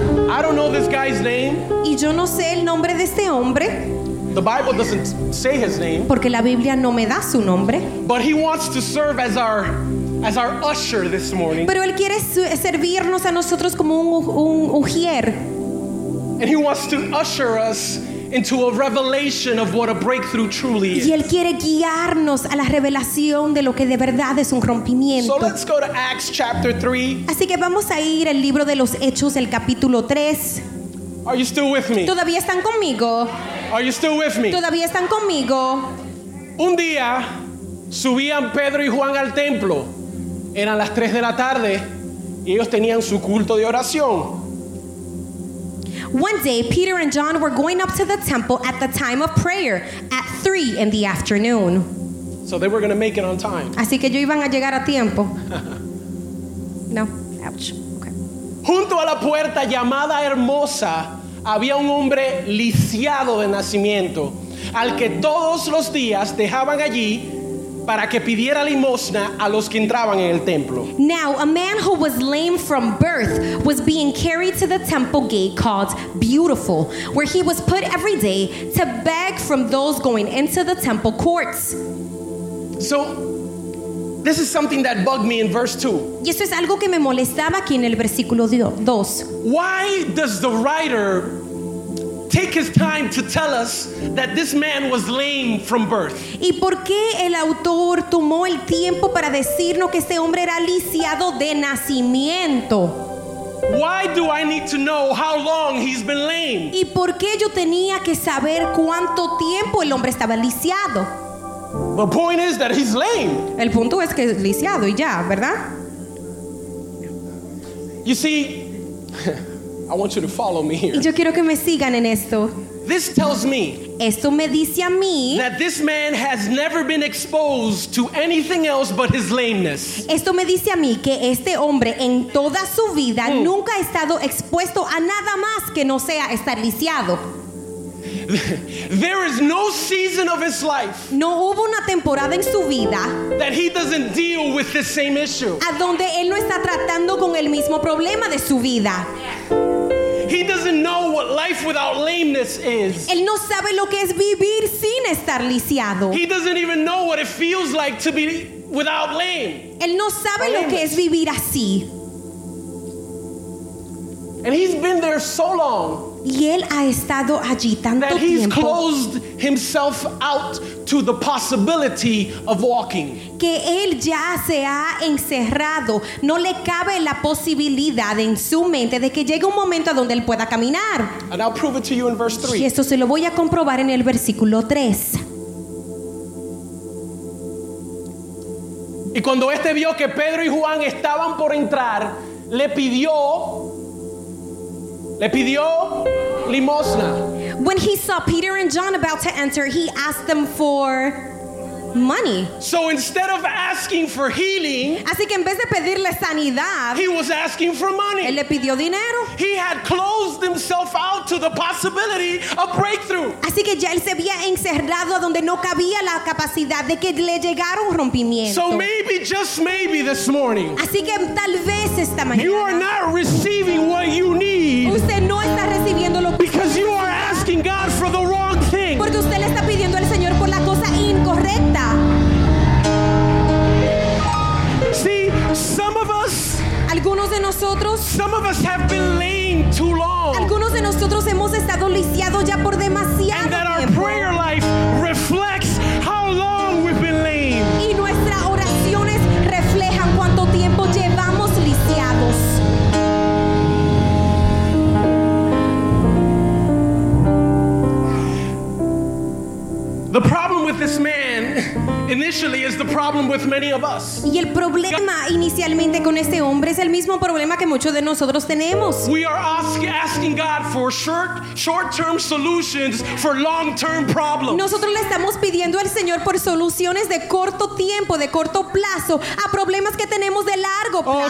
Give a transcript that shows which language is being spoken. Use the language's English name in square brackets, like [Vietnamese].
[English] I don't know this guy's name. [Spanish] Y yo no sé el nombre de este hombre. [English] The Bible doesn't say his name. [Spanish] Porque la Biblia no me da su nombre. [English] But he wants to serve as our usher this morning. [Spanish] Pero él quiere servirnos a nosotros como un ujier. [English] And he wants to usher us into a revelation of what a breakthrough truly is. [Spanish] Y él quiere guiarnos a la revelación de lo que de verdad es un rompimiento. [English] So let's go to Acts chapter 3. [Spanish] Así que vamos a ir al libro de los Hechos, el capítulo 3. [English] Are you still with me? [Spanish] ¿Todavía están conmigo? [English] Are you still with me? [Spanish] ¿Todavía están conmigo? Un día subían Pedro y Juan al templo. Eran las 3 de la tarde y ellos tenían su culto de oración. [English] One day, Peter and John were going up to the temple at the time of prayer at 3 in the afternoon. So they were going to make it on time. [Spanish] Así que ellos iban a llegar a tiempo. [English] No, ouch. Okay. [Spanish] Junto a la puerta llamada Hermosa, había un hombre lisiado de nacimiento, al que todos los días dejaban allí para que pidiera limosna a los que entraban en el templo. [English] Now, a man who was lame from birth was being carried to the temple gate called Beautiful, where he was put every day to beg from those going into the temple courts. So, this is something that bugged me in verse 2. [Spanish] Y eso es algo que me molestaba aquí en el versículo 2. [English] Why does the writer take his time to tell us that this man was lame from birth? [Spanish] ¿Y por qué el autor tomó el tiempo para decirnos que este hombre era lisiado de nacimiento? [English] Why do I need to know how long he's been lame? [Spanish] ¿Y por qué yo tenía que saber cuánto tiempo el hombre estaba lisiado? [English] The point is that he's lame. [Spanish] El punto es que es lisiado y ya, ¿verdad? [English] You see, I want you to follow me here. [Spanish] Y yo quiero que me sigan en esto. [English] This tells me, [Spanish] esto me dice a mí, [English] that this man has never been exposed to anything else but his lameness. [Spanish] Esto me dice a mí que este hombre en toda su vida nunca ha estado expuesto a nada más que no sea estar lisiado. [English] There is no season of his life. [Spanish] No hubo una temporada en su vida [English] that he doesn't deal with the same issue. [Spanish] A donde él no está tratando con el mismo problema de su vida. [English] He doesn't know what life without lameness is. [Spanish] Él no sabe lo que es vivir sin estar lisiado. [English] He doesn't even know what it feels like to be without lame. [Spanish] Él no sabe lo que es vivir así. [English] And he's been there so long. [Spanish] Y él ha estado allí tanto tiempo. [English] That he's closed himself out to the possibility of walking. [Spanish] Que él ya se ha encerrado. No le cabe la posibilidad en su mente de que llegue un momento a donde él pueda caminar. [English] And I'll prove it to you in verse 3. [Spanish] Y esto se lo voy a comprobar en el versículo 3. Y cuando este vio que Pedro y Juan estaban por entrar, le pidió limosna. [English] When he saw Peter and John about to enter, he asked them for money. So instead of asking for healing, [Spanish] así que en vez de pedirle sanidad, [English] he was asking for money. [Spanish] Él le pidió dinero. [English] He had closed himself out to the possibility of breakthrough. [Spanish] Así que ya él se había encerrado donde no cabía la capacidad de que le llegara un rompimiento. [English] So maybe, just maybe, this morning, [Spanish] así que tal vez esta mañana, [English] you are not receiving what you need. [Spanish] Usted no está recibiendo lo que [English] because you are asking God for the wrong thing. [Spanish] Porque usted le está pidiendo al Señor por la cosa incorrecta. [English] See, some of us, [Spanish] algunos de nosotros, [English] some of us have been lame too long. [Spanish] Algunos de nosotros hemos estado lisiados ya por demasiado tiempo. [English] And that [Spanish] tiempo. [English] Our prayer life reflects how long we've been lame. [Spanish] Y nuestras oraciones reflejan cuánto tiempo llevamos lisiados. [English] The problem with this man initially is the problem with many of us. [Spanish] Y el problema inicialmente con este hombre es el mismo problema que muchos de nosotros tenemos. [English] We are asking God for short-term solutions for long-term problems. [Spanish] Nosotros le estamos pidiendo al Señor por soluciones de corto tiempo, de corto plazo, a problemas que tenemos de largo plazo.